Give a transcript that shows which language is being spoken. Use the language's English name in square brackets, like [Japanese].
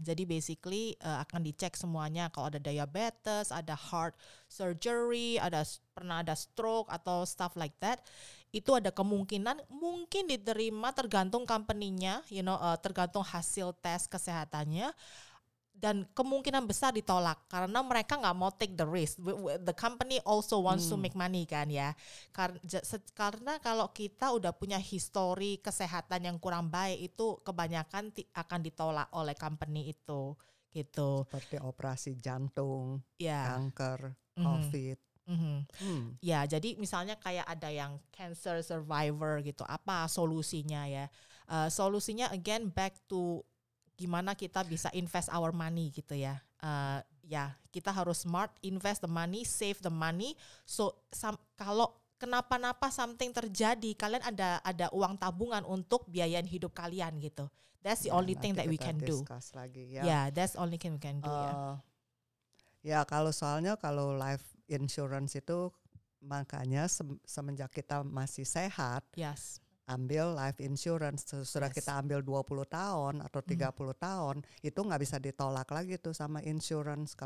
[Indonesian] Jadi basically akan dicek semuanya, kalau ada diabetes, ada heart surgery, pernah ada stroke atau [English] stuff like that. [Indonesian] Itu ada kemungkinan mungkin diterima tergantung company-nya, you know, tergantung hasil tes kesehatannya. Dan kemungkinan besar ditolak karena mereka enggak mau [English] take the risk. The company also wants to make money [Indonesian] kan ya. Karena kalau kita udah punya history kesehatan yang kurang baik itu kebanyakan akan ditolak oleh company itu gitu. Seperti operasi jantung, kanker, COVID. Ya, jadi misalnya kayak ada yang cancer survivor gitu, apa solusinya ya? Solusinya again back to gimana kita bisa [English] invest our money [Indonesian] gitu ya. Kita harus smart, [English] invest the money, save the money. [Indonesian] So kalau kenapa-napa something terjadi, kalian ada uang tabungan untuk biayain hidup kalian gitu. [English] That's the only thing that we can do. That's only thing we can do. [Indonesian] Kalau soalnya kalau life insurance itu makanya semenjak kita masih sehat, ambil life insurance sudah kita ambil 20 tahun atau 30 tahun itu nggak bisa ditolak lagi tuh sama insurance.